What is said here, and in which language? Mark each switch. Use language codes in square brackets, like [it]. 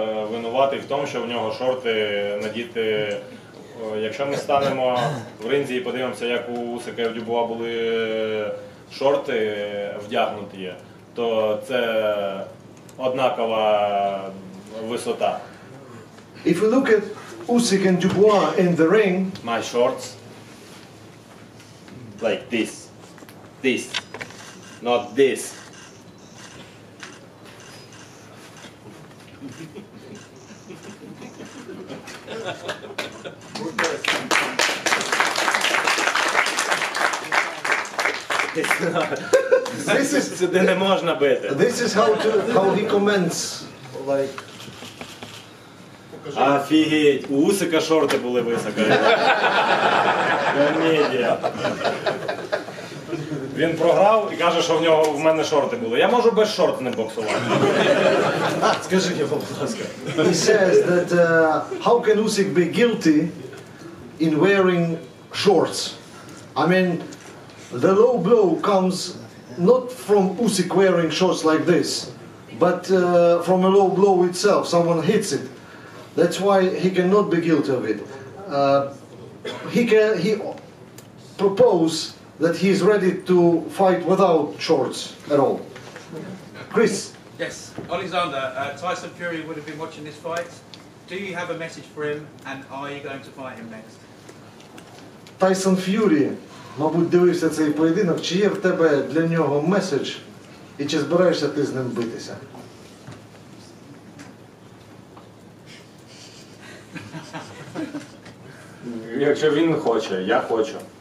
[uk] винуватий в тому, що в нього шорти надіти. Якщо ми станемо в ринзі і подивимося, як у Усика і в Дюбуа були шорти вдягнуті, то це однакова висота. [en] If you look at Usyk and Dubois in the ring, my shorts like this, this, not this. This is [uk] не можна бити. [en] This is how he comments, like. [uk] Офігеть, у Усика шорти були високо. Комедія. Він програв і каже, що в нього в мене шорти були. Я можу без шорт не боксувати. Скажи мені, будь ласка. [en] He says that how can Usyk be guilty in wearing shorts? I mean, the low blow comes not from Usyk wearing shorts like this, but from a low blow itself. Someone hits it. That's why he cannot be guilty of it. He proposes that he is ready to fight without shorts at all. Chris. Yes, Alexander, Tyson Fury would have been watching this fight. Do you have a message for him, and are you going to fight him next? [uk] Тайсон Фьюрі, мабуть, дивився цей поєдинок. Чи є в тебе для нього меседж, і чи збираєшся ти з ним битися? Якщо він хоче, я хочу.